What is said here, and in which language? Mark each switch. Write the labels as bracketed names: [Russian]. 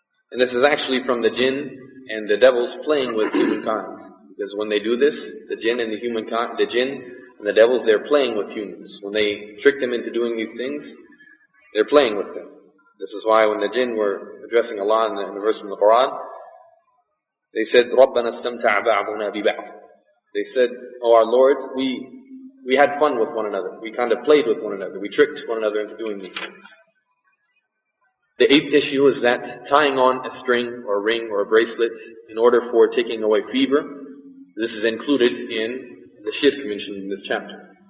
[English] And this is actually from the jinn and the devils playing with humankind. Because when they do this, the jinn and the devils, they're playing with humans. When they trick them into doing these things, they're playing with them. This is why when the jinn were addressing Allah in the verse from the Quran, They said, [Arabic] رَبَّنَا اسْتَمْتَعَ بَعْضُنَا بِبَعْضٍ. [English] They said, oh our Lord, we had fun with one another. We kind of played with one another. We tricked one another into doing these things. The eighth issue is that tying on a string or a ring or a bracelet in order for taking away fever, this is included in the shirk mentioned in this chapter.